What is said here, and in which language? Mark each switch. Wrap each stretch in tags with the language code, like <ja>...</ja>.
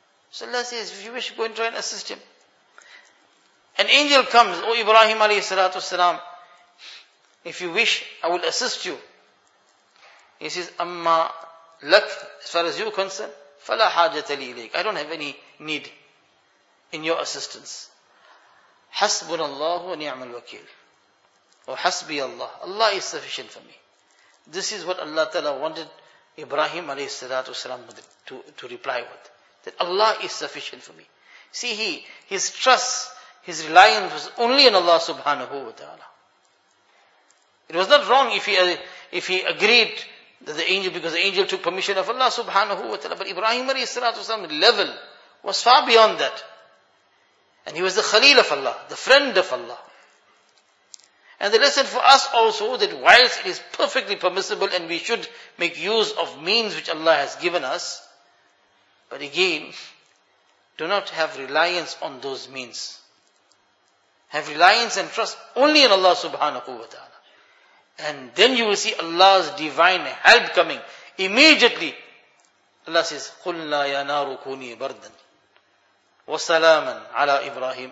<en>So Allah says, if you wish, go and try and assist him. An angel comes, oh Ibrahim alayhi salatu wasalam, if you wish, I will assist you. He says,</en> <ar>amma lak,</ar> <en>as far as you are concerned,</en> <ar>fala hajata li ilayk,</ar> <en>I don't have any need in your assistance.</en> <ar>حَسْبُنَ اللَّهُ وَنِعْمَ الْوَكِيلُ وَحَسْبِيَ اللَّهُ,</ar> <en>Allah is sufficient for me. This is what Allah Ta'ala wanted Ibrahim alayhi salatu wasalam to reply with. That Allah is sufficient for me. See, his trust, his reliance was only in Allah subhanahu wa ta'ala. It was not wrong if he agreed that the angel, because the angel took permission of Allah subhanahu wa ta'ala. But Ibrahim alayhi salatu wasalam's level was far beyond that. And he was the Khalil of Allah, the friend of Allah. And the lesson for us also, that whilst it is perfectly permissible and we should make use of means which Allah has given us, but again, do not have reliance on those means. Have reliance and trust only in Allah subhanahu wa ta'ala. And then you will see Allah's divine help coming. Immediately, Allah says,</en> <ar>قُلْنَا يَا نَارُ كُونِي بَرْدًا وَسَلَامًا عَلَىٰ إِبْرَاهِيمُ.</ar>